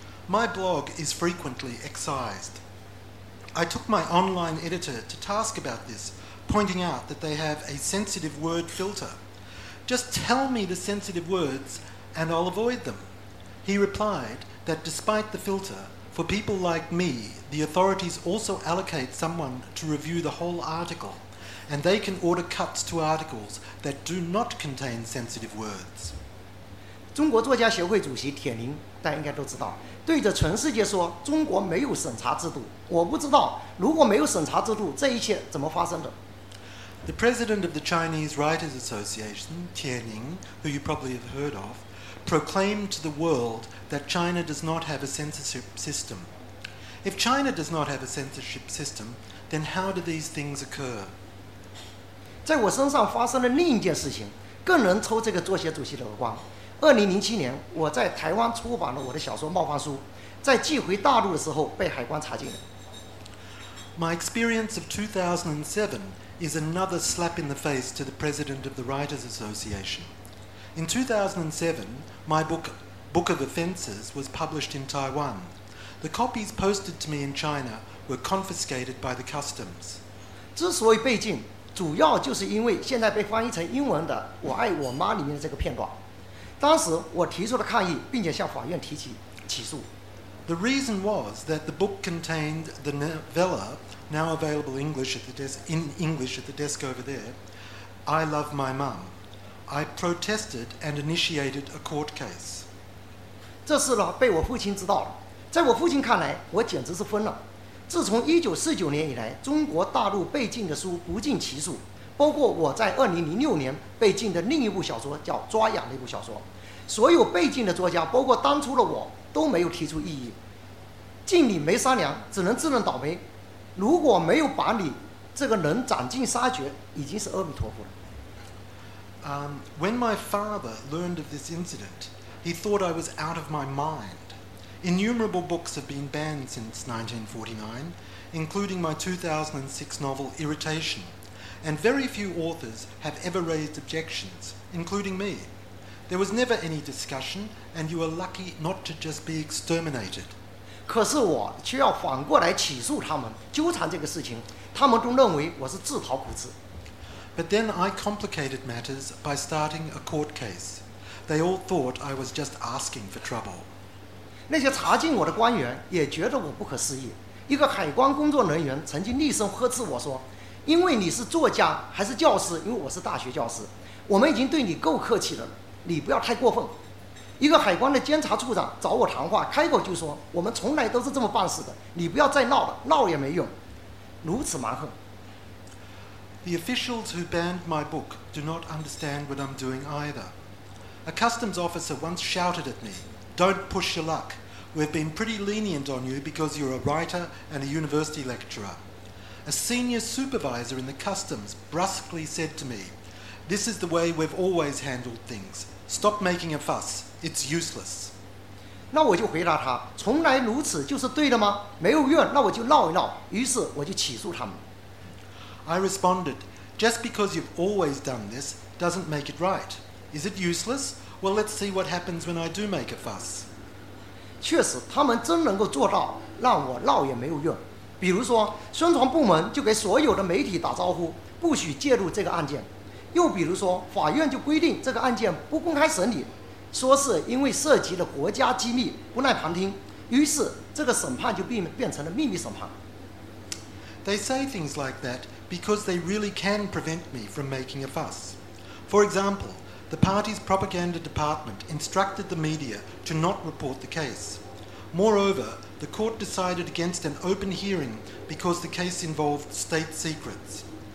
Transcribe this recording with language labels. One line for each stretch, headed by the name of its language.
English: My blog is frequently excised. I took my online editor to task about this, pointing out that they have a sensitive word filter. Just tell me the sensitive words and I'll avoid them. He replied that despite the filter, for people like me, the authorities also allocate someone to review the whole article, and they can order cuts to articles that do not contain sensitive words.
Chinese: 中国作家协会主席铁林，大家应该都知道，对着全世界说中国没有审查制度。我不知道，如果没有审查制度，这一切怎么发生的？
English: The president of the Chinese Writers Association, 铁林, who you probably have heard of, proclaimed to the world that China does not have a censorship system. If China does not have a censorship system, then how do these things occur?
Chinese: 在我身上发生了另一件事情，更能抽这个作协主席的耳光。 2007年，我在台湾出版了我的小说《冒犯书》，在寄回大陆的时候被海关查禁了。
English: My experience of 2007 is another slap in the face to the president of the Writers Association. In 2007, my book of Offenses was published in Taiwan. The copies posted to me in China were confiscated by the customs.
Chinese: 之所以被禁，主要就是因为现在被翻译成英文的《我爱我妈》里面的这个片段，当时我提出了抗议，并且向法院提起起诉。
English: The reason was that the book contained the novella, now available in English at the desk over there, "I Love My Mom." I protested and initiated a court case.
Chinese: 这事呢被我父亲知道了，在我父亲看来，我简直是疯了。自从1949年以来，中国大陆被禁的书不禁其数，包括我在2006年被禁的另一部小说叫《抓痒》那部小说。所有被禁的作家，包括当初的我，都没有提出异议。禁你没商量，只能自认倒霉。如果没有把你这个人斩尽杀绝，已经是阿弥陀佛了。
English: When my father learned of this incident, he thought I was out of my mind. Innumerable books have been banned since 1949, including my 2006 novel Irritation. And very few authors have ever raised objections, including me. There was never any discussion, and you are lucky not to just be exterminated.
Chinese: 可是我却要反过来起诉他们，纠缠这个事情，他们都认为我是自讨苦吃。
English: But then I complicated matters by starting a court case. They all thought I was just asking for trouble.
Chinese: 那些查禁我的官员也觉得我不可思议。一个海关工作人员曾经厉声呵斥我说，因为你是作家还是教师，因为我是大学教师，我们已经对你够客气了，你不要太过分。一个海关的监察处长找我谈话，开口就说，我们从来都是这么办事的，你不要再闹了，闹也没用。如此蛮横。
English: The officials who banned my book do not understand what I'm doing either. A customs officer once shouted at me,Don't push your luck. We've been pretty lenient on you because you're a writer and a university lecturer. A senior supervisor in the customs brusquely said to me, This is the way we've always handled things. Stop making a fuss. It's useless.
Chinese: 那我就回答他，从来如此就是对的吗？没有用，那我就闹一闹。于是我就起诉他们。
English: I responded, Just because you've always done this doesn't make it right. Is it useless? Well, let's see what happens when I do make a fuss.
Chinese: 确实，他们真能够做到让我闹也没有用。比如说，宣传部门就给所有的媒体打招呼，不许介入这个案件。又比如说，法院就规定这个案件不公开审理，说是因为涉及了国家机密，不耐旁听。于是，这个审判就变成了秘密审判。
English: They say things like that because they really can prevent me from making a fuss. For example,The party's propaganda department instructed the media to not report the case. Moreover, the court decided against an open hearing because the case involved state secrets.